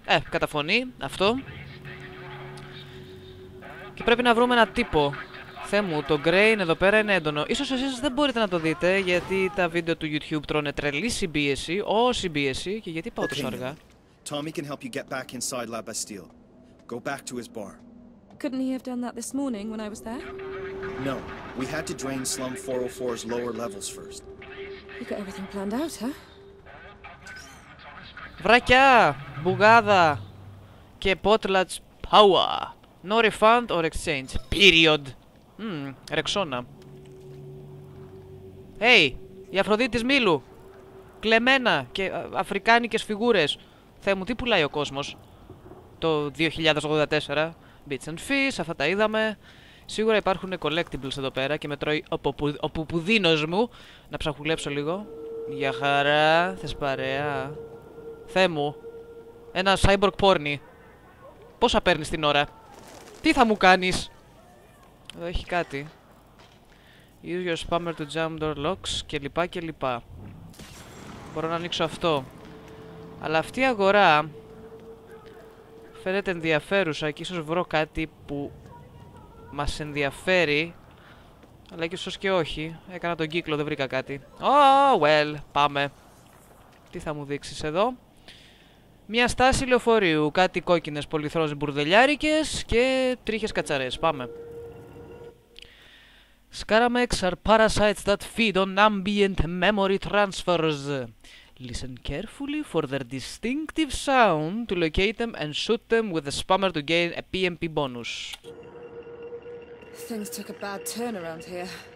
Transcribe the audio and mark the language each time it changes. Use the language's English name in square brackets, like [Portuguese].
[Greek] Καταφωνεί αυτό. Και πρέπει να βρούμε ένα τύπο. Θεέ μου, το Grain εδώ πέρα είναι έντονο. Ίσως εσείς δεν μπορείτε να το δείτε, γιατί τα βίντεο του YouTube τρώνε τρελή συμπίεση, όση πίεση, και γιατί πάω τόσο αργά. [English] Tommy can help you get back inside La Bastille. Go back to his bar. Couldn't he have done that this morning when I was there? No, we had to drain Slum 404's lower levels first. You got everything planned out, huh? [Greek] Βρακιά, μπουγάδα και [English] potlatch power. No refund or exchange, period. [Greek] Ρεξόνα. Hey, η Αφροδίτη της Μήλου. Κλεμμένα και αφρικάνικες φιγούρες. Θεέ μου, τι πουλάει ο κόσμος. Το 2084. Beats and Fish, αυτά τα είδαμε. Σίγουρα υπάρχουν collectibles εδώ πέρα και με τρώει ο πουπουδίνος μου. Να ψαχουλέψω λίγο. Για χαρά, θες παρέα. Θεέ μου, ένα cyborg πόρνι. Πόσα παίρνεις την ώρα. Τι θα μου κάνεις. Εδώ έχει κάτι. [English] Use your spammer to jump door locks [Greek] και λοιπά και λοιπά. Μπορώ να ανοίξω αυτό. Αλλά αυτή η αγορά φαίνεται ενδιαφέρουσα και ίσως βρω κάτι που μας ενδιαφέρει. Αλλά και ίσως και όχι. Έκανα τον κύκλο, δεν βρήκα κάτι. [English] Oh, well, [Greek] πάμε. Τι θα μου δείξεις εδώ? Μια στάση λεωφορείου, κάτι κόκκινες πολυθρόνες μπουρδελιάρικες και τρίχες κατσαρές. Πάμε. [English] Scaramecs are parasites that feed on ambient memory transfers. Listen carefully for their distinctive sound to locate them and shoot them with a spammer to gain a PMP bonus. Things took a bad turn around here.